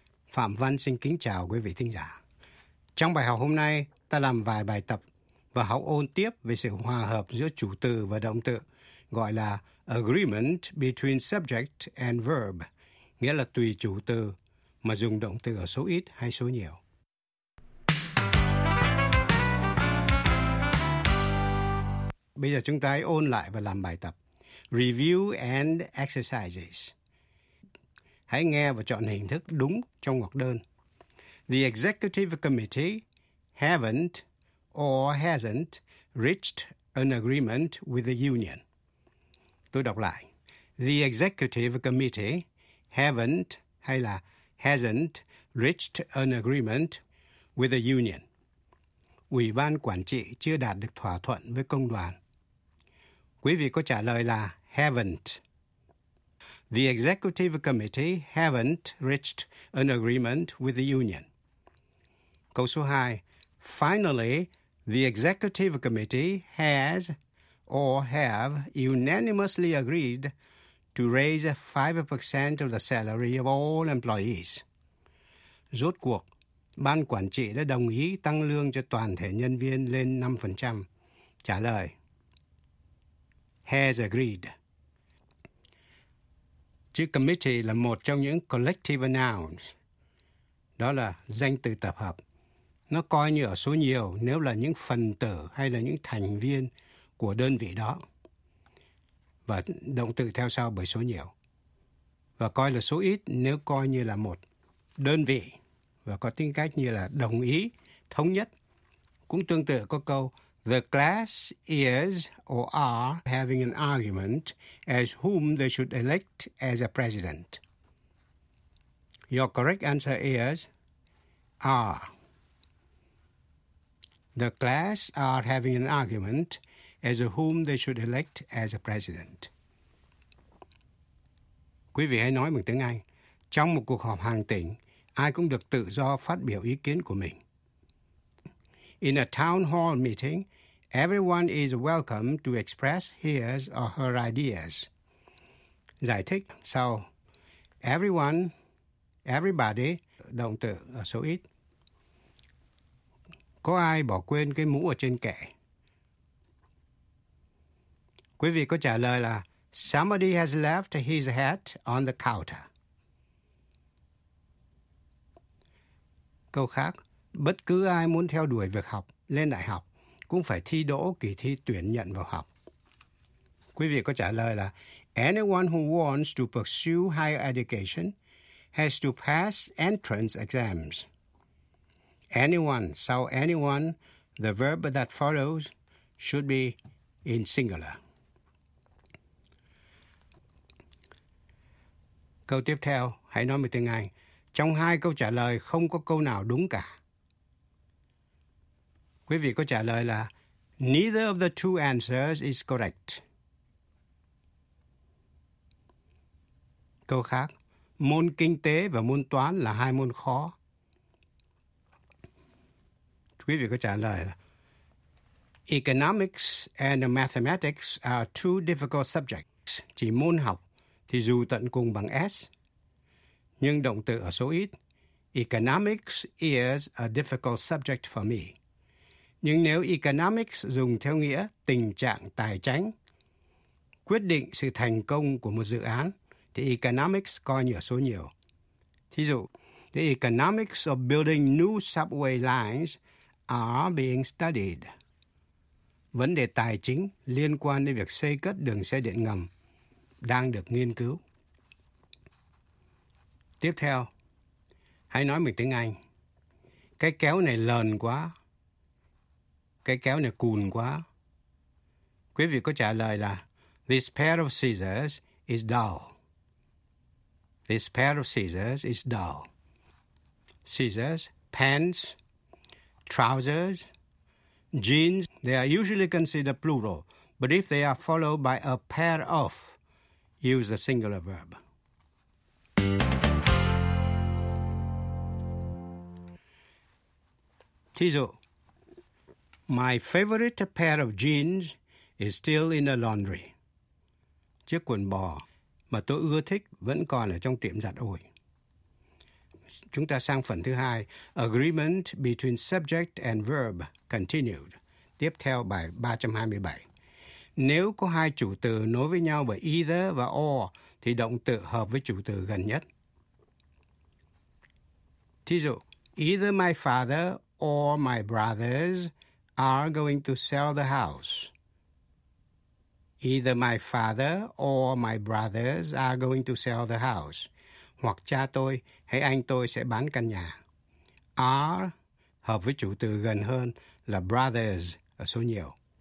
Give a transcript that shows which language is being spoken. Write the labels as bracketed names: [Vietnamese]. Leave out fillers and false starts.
[Vietnamese] Phạm Văn xin kính chào quý vị thính giả. Trong bài học hôm nay, ta làm vài bài tập và học ôn tiếp về sự hòa hợp giữa chủ từ và động từ, gọi là [English] agreement between subject and verb, [Vietnamese] nghĩa là tùy chủ từ mà dùng động từ ở số ít hay số nhiều. Bây giờ chúng ta hãy ôn lại và làm bài tập. [English] Review and exercises. [Vietnamese] Hãy nghe và chọn hình thức đúng trong ngoặc đơn. [English] The executive committee haven't or hasn't reached an agreement with the union. [Vietnamese] Tôi đọc lại. [English] The executive committee haven't [Vietnamese] hay là [English] hasn't reached an agreement with the union. [Vietnamese] Ủy ban quản trị chưa đạt được thỏa thuận với công đoàn. Quý vị có trả lời là haven't. [English] the executive committee haven't reached an agreement with the union. [Vietnamese] Câu số 2. [English] Finally, the executive committee has or have unanimously agreed to raise 5% of the salary of all employees. [Vietnamese] Rốt cuộc, ban quản trị đã đồng ý tăng lương cho toàn thể nhân viên lên 5%. Trả lời. [English] Has agreed. [Vietnamese] Chữ committee là một trong những collective nouns. Đó là danh từ tập hợp. Nó coi như ở số nhiều nếu là những phần tử hay là những thành viên của đơn vị đó. Và động từ theo sau bởi số nhiều. Và coi là số ít nếu coi như là một đơn vị và có tính cách như là đồng ý, thống nhất. Cũng tương tự có câu [English] The class is or are having an argument as whom they should elect as a president. Your correct answer is are. The class are having an argument as to whom they should elect as a president. [Vietnamese] Quý vị hãy nói bằng tiếng Anh. Trong một cuộc họp hàng tỉnh, ai cũng được tự do phát biểu ý kiến của mình. [English] In a town hall meeting, everyone is welcome to express his or her ideas. [Vietnamese] Giải thích sau. Everyone, everybody, động từ ở số ít. Có ai bỏ quên cái mũ ở trên kệ? Quý vị có trả lời là [English] somebody has left his hat on the counter. [Vietnamese] Câu khác, bất cứ ai muốn theo đuổi việc học, lên đại học, cũng phải thi đỗ kỳ thi tuyển nhận vào học. Quý vị có trả lời là [English] anyone who wants to pursue higher education has to pass entrance exams. Anyone, so anyone, the verb that follows should be in singular. [Vietnamese] Câu tiếp theo, hãy nói một tiếng Anh. Trong hai câu trả lời, không có câu nào đúng cả. Quý vị có trả lời là [English] neither of the two answers is correct. [Vietnamese] Câu khác, môn kinh tế và môn toán là hai môn khó. Quý vị có trả lời là [English] economics and mathematics are two difficult subjects. [Vietnamese] Chỉ môn học thì dù tận cùng bằng S, nhưng động từ ở số ít. [English] Economics is a difficult subject for me. [Vietnamese] Nhưng nếu economics dùng theo nghĩa tình trạng tài chính, quyết định sự thành công của một dự án, thì economics coi như ở số nhiều. Thí dụ, [English] the economics of building new subway lines are being studied. [Vietnamese] Vấn đề tài chính liên quan đến việc xây cất đường xe điện ngầm đang được nghiên cứu. Tiếp theo, hãy nói mình tiếng Anh. Cái kéo này lờn quá. Cái kéo này cùn quá. Quý vị có trả lời là [English] this pair of scissors is dull. This pair of scissors is dull. Scissors, pants, trousers, jeans, they are usually considered plural, but if they are followed by a pair of, use the singular verb. [Vietnamese] Thí dụ, [English] my favorite pair of jeans is still in the laundry. [Vietnamese] Chiếc quần bò mà tôi ưa thích vẫn còn ở trong tiệm giặt ủi. Chúng ta sang phần thứ hai, [English] agreement between subject and verb continued. [Vietnamese] Tiếp theo bài 327. Nếu có hai chủ từ nối với nhau bởi either và or, thì động từ hợp với chủ từ gần nhất. [English] Thí dụ, either my father or my brothers are going to sell the house. Either my father or my brothers are going to sell the house. [Vietnamese] Hoặc cha tôi hay anh tôi sẽ bán căn nhà. Are hợp với chủ từ gần hơn là brothers ở số nhiều.